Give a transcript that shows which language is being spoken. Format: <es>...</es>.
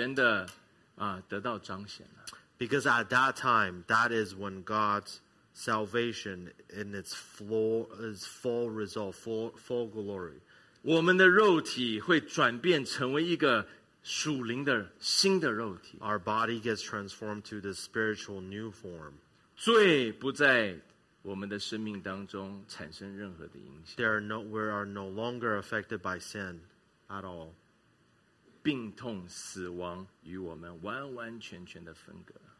<zh>我们不会因为神，因为到了那个时候，神的救恩就完完全全的得到彰显了。</zh> <en>Because at that time, that is when God's salvation in its full result, full glory.</en> <zh>我们的肉体会转变成为一个属灵的新的肉体。</zh> <en>Our body gets transformed to the spiritual new form.</en> <zh>罪不在我们的生命当中产生任何的影响。</zh> <en>We are no longer affected by sin at all.</en> <zh>病痛死亡与我们完完全全的分隔。</zh>